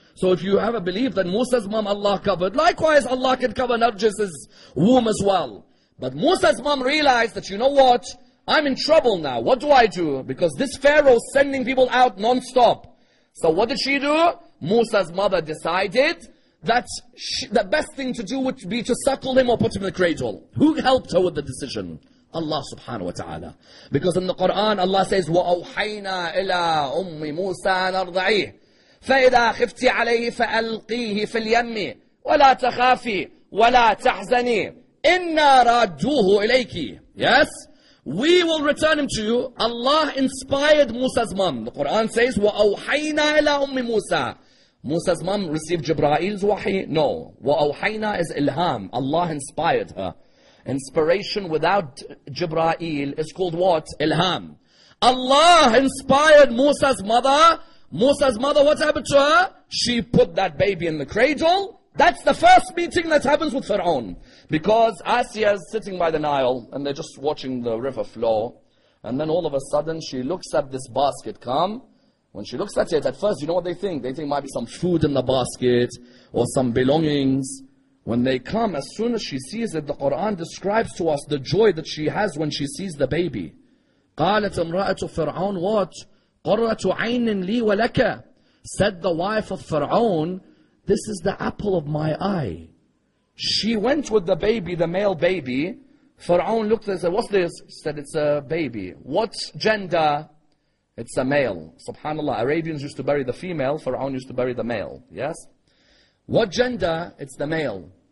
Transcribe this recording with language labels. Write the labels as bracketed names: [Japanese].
[English] So if you have a belief that Musa's mom Allah covered, likewise Allah can cover Narjis's womb as well. But Musa's mom realized that, you know what? I'm in trouble now. What do I do? Because this Pharaoh is sending people out non-stop. So what did she do? Musa's mother decided that the best thing to do would be to suckle him or put him in the cradle. Who helped her with the decision? Allah subhanahu wa ta'ala. Because in the Quran, Allah says, [Arabic] وَأَوْحَيْنَا إِلَىٰ أُمِّ مُوسَىٰ نَرْضَعِيهِ فَإِذَا خِفْتِ عَلَيْهِ فَأَلْقِيهِ فِي الْيَمِّ وَلَا تَخَافِي وَلَا تَحْزَنِي إِنَّا رَدُّوهُ إِلَيْكِ. [English] Yes? We will return him to you. Allah inspired Musa's mom. The Quran says, [Arabic] وَأَوْحَيْنَا إِلَىٰ أُمِّ مُوسَىٰ. [English] Musa's mom received Jibreel's wahi. No. وَأَوْحَيْنَا is ilham. Allah inspired her. Inspiration without Jibreel is called what? Ilham. Allah inspired Musa's mother. Musa's mother, what happened to her? She put that baby in the cradle. That's the first meeting that happens with Pharaoh. Because Asiya is sitting by the Nile and they're just watching the river flow. And then all of a sudden she looks at this basket come. When she looks at it, at first, you know what they think? They think it might be some food in the basket or some belongings. When they come, as soon as she sees it, the Quran describes to us the joy that she has when she sees the baby. [Arabic] قالت امرأة فرعون [English] what? [Arabic] قرة عين لي ولك. [English] Said the wife of Pharaoh, this is the apple of my eye. She went with the baby, the male baby. Pharaoh looked and said, what's this? She said, it's a baby. What gender? It's a male. Subhanallah, Arabians used to bury the female, Pharaoh used to bury the male. Yes? What gender? It's the male.